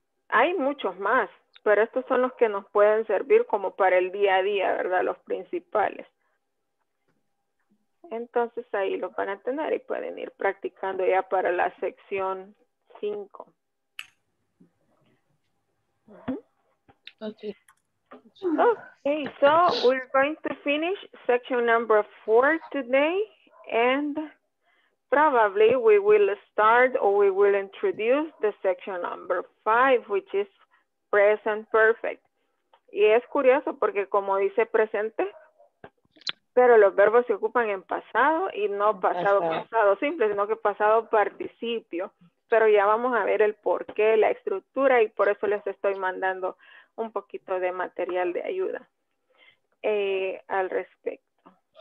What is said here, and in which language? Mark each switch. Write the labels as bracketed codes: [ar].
[es] Hay muchos más, pero estos son los que nos pueden servir como para el día a día, ¿verdad? Los principales. Entonces ahí los van a tener y pueden ir practicando ya para la sección 5. [en] Ok. Okay, so we're going to finish section number 4 today, and probably we will start or we will introduce the section number 5, which is present perfect. [es] Y es curioso porque como dice presente, pero los verbos se ocupan en pasado y no pasado, pasado simple, sino que pasado participio. Pero ya vamos a ver el porqué, la estructura, y por eso les estoy mandando un poquito de material de ayuda al respecto.